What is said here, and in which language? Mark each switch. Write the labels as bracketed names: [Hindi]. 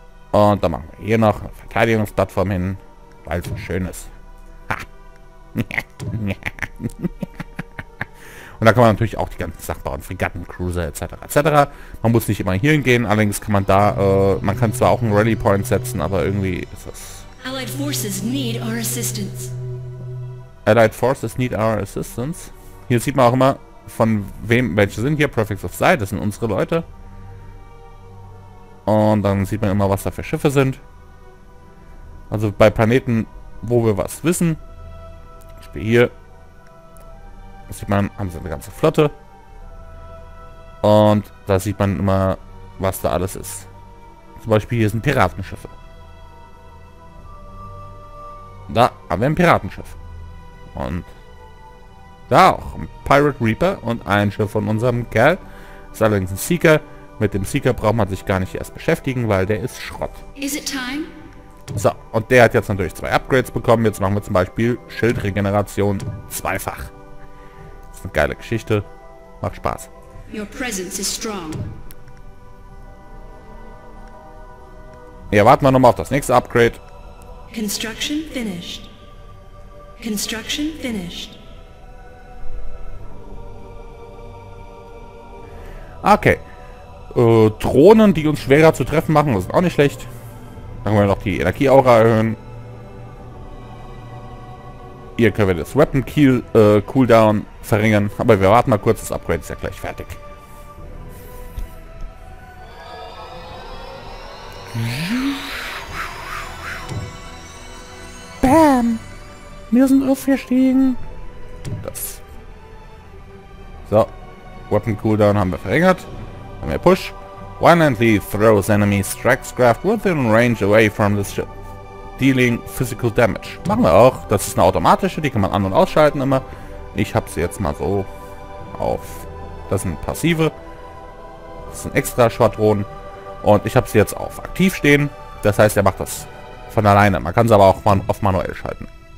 [German] Und dann machen wir hier noch eine Verteidigungsplattform hin, weil es so schön ist. Ha. Und da kann man natürlich auch die ganzen Sachen bauen, Fregatten, Cruiser etc. etc. Man muss nicht immer hier hingehen, allerdings kann man da, man kann zwar auch einen Rally Point setzen, aber irgendwie ist das... [English] Allied Forces need our assistance. Allied Forces need our assistance. [German] Hier sieht man auch immer, von wem welche sind hier. Prefects of Sight, das sind unsere Leute. Und dann sieht man immer, was da für Schiffe sind. Also bei Planeten, wo wir was wissen. Ich bin hier. Da sieht man, haben sie eine ganze Flotte. Und da sieht man immer, was da alles ist. Zum Beispiel hier sind Piratenschiffe. Da haben wir ein Piratenschiff. Und da auch ein Pirate Reaper und ein Schiff von unserem Kerl. Ist allerdings ein Seeker. Mit dem Seeker braucht man sich gar nicht erst beschäftigen, weil der ist Schrott. [English] Is it time? [German] So, und der hat jetzt natürlich zwei Upgrades bekommen. Jetzt machen wir zum Beispiel Schildregeneration zweifach. Eine geile Geschichte. Macht Spaß. [English] Your presence is strong. [German] Ja, warten wir nochmal auf das nächste Upgrade. [English] Construction finished. Construction finished. Okay. [German] Drohnen, die uns schwerer zu treffen machen, das ist auch nicht schlecht. Dann können wir noch die Energieaura erhöhen. Hier können wir das Weapon Kill Cooldown verringern, aber wir warten mal kurz, das Upgrade ist ja gleich fertig. Bam! Wir sind aufgestiegen. Das. So, Weapon Cooldown haben wir verringert. Haben wir Push. [English] Violently throws enemy strikes craft within range away from this ship. Dealing physical damage. [German] Machen wir auch. Das ist eine automatische, die kann man an- und ausschalten immer. Ich habe sie jetzt mal so auf. Das sind passive. Das sind extra Schwadronen. Und ich habe sie jetzt auf aktiv stehen. Das heißt, er macht das von alleine. Man kann sie aber auch auf manuell schalten.